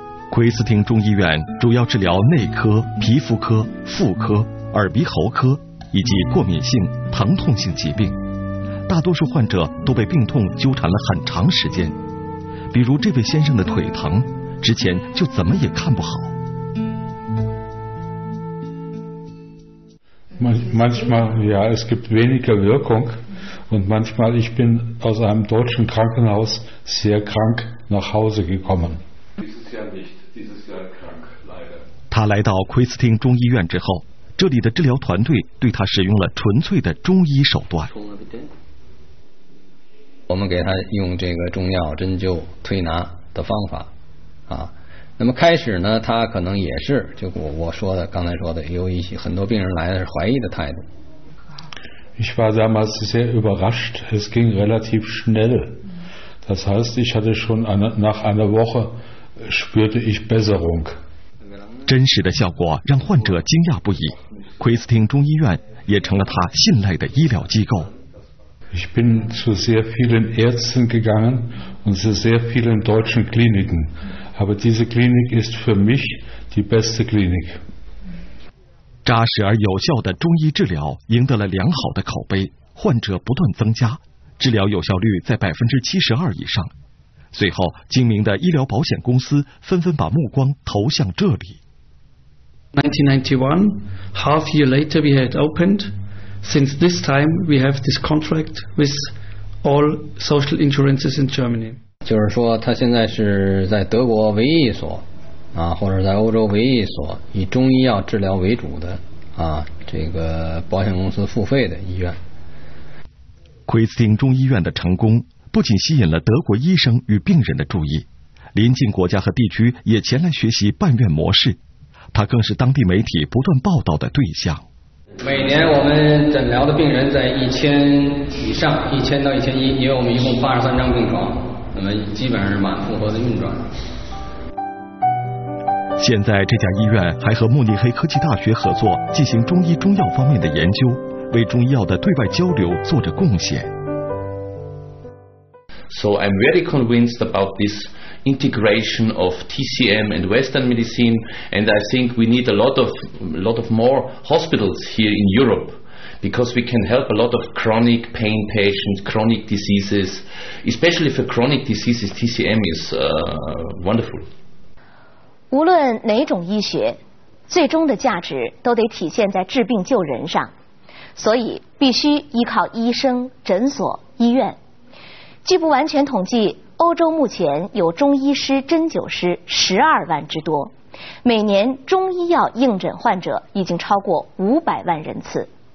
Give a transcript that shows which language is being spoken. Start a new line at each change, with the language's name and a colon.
Chinese: 奎斯汀中医院主要治疗内科、皮肤科、妇科、耳鼻喉科以及过敏性、疼痛性疾病，大多数患者都被病痛纠缠了很长时间，比如这位先生的腿疼，之前就怎么也看不好。
German: manchmal ja es gibt weniger Wirkung und manchmal ich bin aus einem deutschen Krankenhaus sehr krank nach Hause gekommen。
Chinese: 他来到奎斯汀中医院之后，这里的治疗团队对他使用了纯粹的中医手段。我们给他用这个中药、针灸、推拿的方法啊。那么开始呢，他可能也是就我说的刚才说的，有一些很多病人来的是怀疑的态度。
German: Ich war damals sehr überrascht. Es ging relativ schnell. Das heißt, ich hatte schon nach einer Woche spürte ich Besserung.
Chinese: 真实的效果让患者惊讶不已，奎斯汀中医院也成了他信赖的医疗机构。
German: Ich bin zu sehr vielen Ärzten gegangen und zu sehr vielen deutschen Kliniken, aber diese Klinik ist für mich die beste Klinik.
Chinese: 扎实而有效的中医治疗赢得了良好的口碑，患者不断增加，治疗有效率在72%以上。随后，精明的医疗保险公司纷纷把目光投向这里。
English: 1991, half year later we had opened. Since this time, we have this contract with all social insurances in Germany.
Chinese: 就是说，他现在是在德国唯一一所啊，或者在欧洲唯一一所以中医药治疗为主的啊，这个保险公司付费的医院。奎斯汀中医院的成功不仅吸引了德国医生与病人的注意，临近国家和地区也前来学习办院模式，他更是当地媒体不断报道的对象。每年我们诊疗的病人在1000以上，1000到1100，因为我们一共83张病床，那么基本上是满负荷的运转。现在这家医院还和慕尼黑科技大学合作进行中医中药方面的研究，为中医药的对外交流做着贡献。
English: So I'm very convinced about this integration of TCM and Western medicine, and I think we need a lot of more hospitals here in Europe, because we can help a lot of chronic pain patients, chronic diseases, especially for chronic diseases, TCM is wonderful.
Chinese: 无论哪种医学，最终的价值都得体现在治病救人上，所以必须依靠医生、诊所、医院。据不完全统计，欧洲目前有中医师、针灸师12万之多，每年中医药应诊患者已经超过500万人次。